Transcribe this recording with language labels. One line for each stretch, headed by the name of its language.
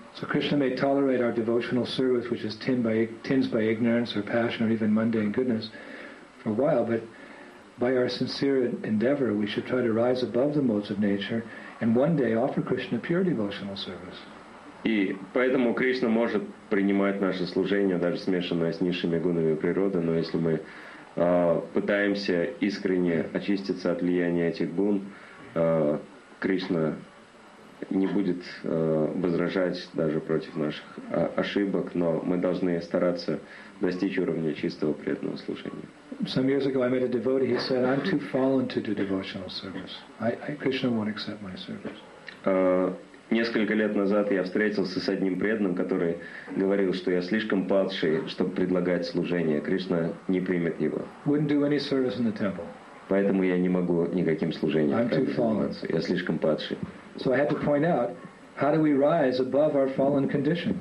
English: So Krishna may tolerate our devotional service, which is tinged by ignorance or passion or even mundane goodness, for a while, but by our sincere endeavor, we should try to rise above the modes of nature and one day offer Krishna pure devotional service.
Russian: И поэтому Кришна может принимать наше служение, даже смешанное с низшими гунами природы, но если мы пытаемся искренне очиститься от влияния этих гун, Кришна не будет возражать даже против наших ошибок, но мы должны стараться достичь уровня чистого преданного служения.
English: Some years ago I met a devotee. He said, "I'm too fallen to do devotional service. Krishna won't accept my service."
Russian: Несколько лет назад я встретился с одним преданным, который говорил, что я слишком падший, чтобы предлагать служение. Кришна не примет его.
English: Wouldn't do any service in the temple.
Russian: Поэтому я не могу никаким служением.
English: I'm too fallen.
Russian: Я слишком падший.
English: So I had to point out, how do we rise above our fallen condition?